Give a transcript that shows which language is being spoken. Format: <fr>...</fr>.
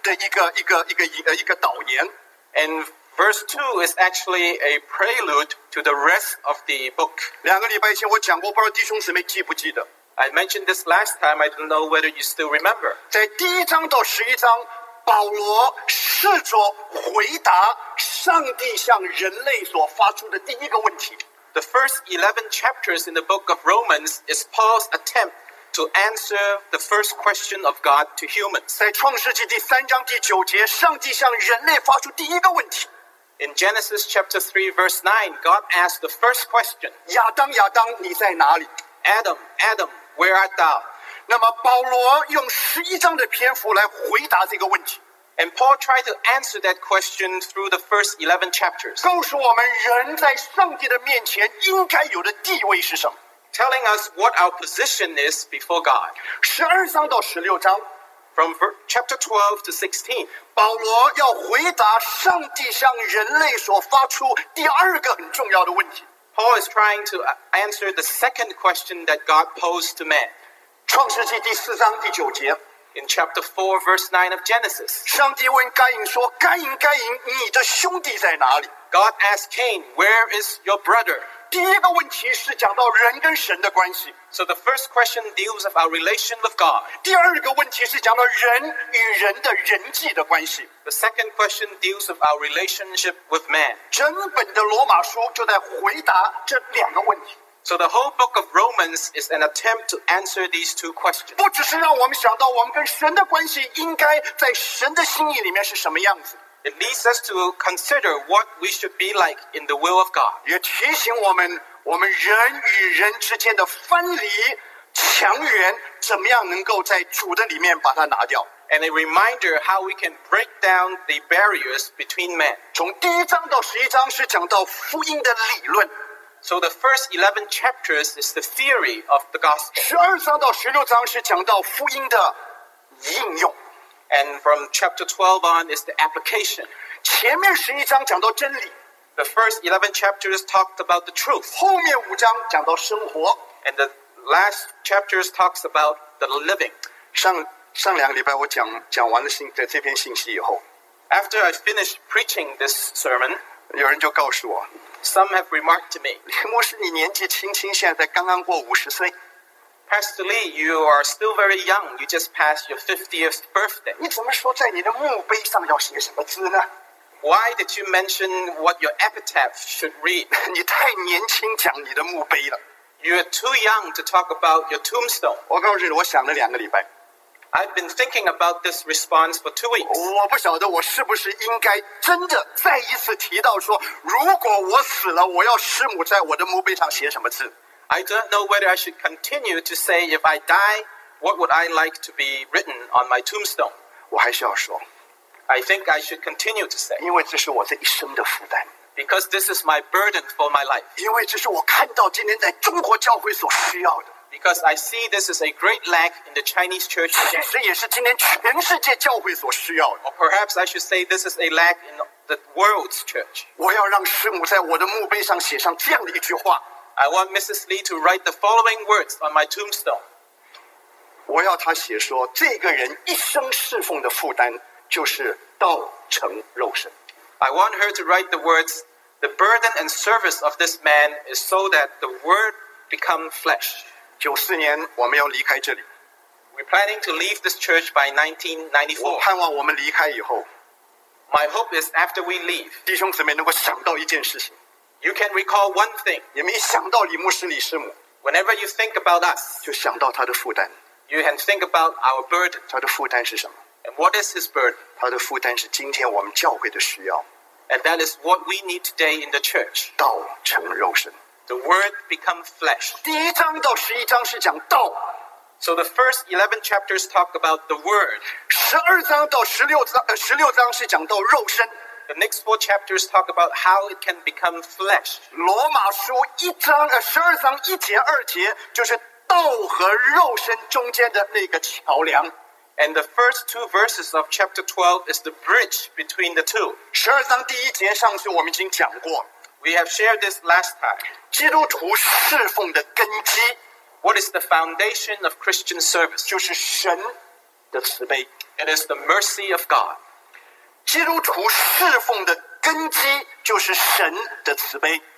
<zh>那么第二节呢,12章第二节,开始13章16章,最后这5章圣经的一个导言。</zh> <en>And verse 2 is actually a prelude to the rest of the book.</en> <zh>两个礼拜前我讲过,不知道弟兄姊妹记不记得?</zh> <en>I mentioned this last time, I don't know whether you still remember.</en> <zh>在第1章到11章,保罗试着回答上帝向人类所发出的第一个问题。</zh> <en>The first 11 chapters in the book of Romans is Paul's attempt to answer the first question of God to humans.</en> <zh>在创世纪第三章第九节，上帝向人类发出第一个问题。</zh> <en>In Genesis chapter 3 verse 9, God asked the first question.</en> <zh>亚当，亚当，你在哪里？</zh> <en>Adam, Adam, where art thou?</en> <zh>那么保罗用十一章的篇幅来回答这个问题。</zh> <en>And Paul tried to answer that question through the first 11 chapters.</en> <zh>告诉我们人在上帝的面前应该有的地位是什么。</zh> <en>Telling us what our position is before God.</en> <zh>十二章到十六章。</zh> <en>From chapter 12 to 16,</en> <zh>保罗要回答上帝向人类所发出第二个很重要的问题。</zh> <en>Paul is trying to answer the second question that God posed to man.</en> <zh>创世纪第四章第九节。</zh> <en>In chapter 4, verse 9 of Genesis,</en> <zh>上帝问该隐说，该隐，该隐，你的兄弟在哪里？</zh> <en>God asked Cain, where is your brother?</en> <zh>第一个问题是讲到人跟神的关系。</zh> <en>So the first question deals with our relation with God.</en> <zh>第二个问题是讲到人与人的人际的关系。</zh> <en>The second question deals with our relationship with man.</en> <zh>整本的罗马书就在回答这两个问题。</zh> <en>So the whole book of Romans is an attempt to answer these two questions.</en> <zh>不只是让我们想到我们跟神的关系应该在神的心意里面是什么样子。</zh> <en>It leads us to consider what we should be like in the will of God.</en> <zh>也提醒我们，我们人与人之间的分离、强援，怎么样能够在主的里面把它拿掉。</zh> <en>And a reminder how we can break down the barriers between men.</en> <zh>从第一章到十一章是讲到福音的理论。</zh> <en>So the first 11 chapters is the theory of the gospel.</en> <zh>十二章到十六章是讲到福音的应用。</zh> <en>And from chapter 12 on is the application.</en> <zh>前面十一章讲到真理。</zh> <en>The first 11 chapters talked about the truth.</en> <zh>后面五章讲到生活。</zh> <en>And the last chapters talks about the living.</en> <zh>上两个礼拜我讲完了信的这篇信息以后。</zh> <en>After I finished preaching this sermon,</en> <zh>有人就告诉我。</zh> <en>Some have remarked to me.</en> <zh>林牧师你年纪轻轻现在刚刚过五十岁。</zh> <en>Pastor Lee, you are still very young. You just passed your 50th birthday.</en> <zh>你怎么说在你的墓碑上要写什么字呢？</zh> <en>Why did you mention what your epitaph should read?</en> <zh>你太年轻讲你的墓碑了。</zh> <en>You are too young to talk about your tombstone.</en> <zh>我告诉你，我想了两个礼拜。</zh> <en>I've been thinking about this response for 2 weeks.</en> <zh>我不晓得我是不是应该真的再一次提到说，如果我死了，我要师母在我的墓碑上写什么字。</zh> <en>I don't know whether I should continue to say if I die, what would I like to be written on my tombstone?</en> <zh>我还是要说。</zh> <en>I think I should continue to say.</en> <zh>因为这是我这一生的负担。</zh> <en>Because this is my burden for my life.</en> <zh>因为这是我看到今天在中国教会所需要的。</zh> <en>Because I see this is a great lack in the Chinese church.</en> <zh>其实也是今天全世界教会所需要的。</zh> <en>Or perhaps I should say this is a lack in the world's church.</en> <zh>我要让师母在我的墓碑上写上这样的一句话。</zh> <en>I want Mrs. Lee to write the following words on my tombstone.</en> <zh>我要她写说，这个人一生侍奉的负担就是道成肉身。</zh> <en>I want her to write the words, the burden and service of this man is so that the word become flesh.</en> <zh>94年我们要离开这里。</zh> <en>We're planning to leave this church by 1994.</en> <zh>我盼望我们离开以后。</zh> <en>My hope is after we leave.</en> <zh>弟兄姊妹能够想到一件事情。</zh> <en>You can recall one thing.</en> <zh>你们一想到李牧师、李师母</zh> <en>，Whenever you think about us,</en> <zh>就想到他的负担。</zh> <en>You can think about our burden.</en> <zh>他的负担是什么</zh> <en>？And what is his burden?</en> <zh>他的负担是今天我们教会的需要。</zh> <en>And that is what we need today in the church.</en> <zh>道成肉身。</zh> <en>The word become flesh.</en> <zh>第一章到十一章是讲道。</zh> <en>So the first 11 chapters talk about the word.</en> <zh>十二章到十六章，十六章是讲到肉身。</zh> <en>The next four chapters talk about how it can become flesh.</en> <zh>罗马书一章的十二章一节二节就是道和肉身中间的那个桥梁。</zh> <en>And the first two verses of chapter 12 is the bridge between the two.</en> <zh>十二章第一节上次我们已经讲过。</zh> <en>We have shared this last time.</en> <zh>基督徒侍奉的根基。</zh> <en>What is the foundation of Christian service?</en> <zh>就是神的慈悲。</zh> <en>It is the mercy of God.</en> <zh>基督徒侍奉的根基就是神的慈悲。</zh>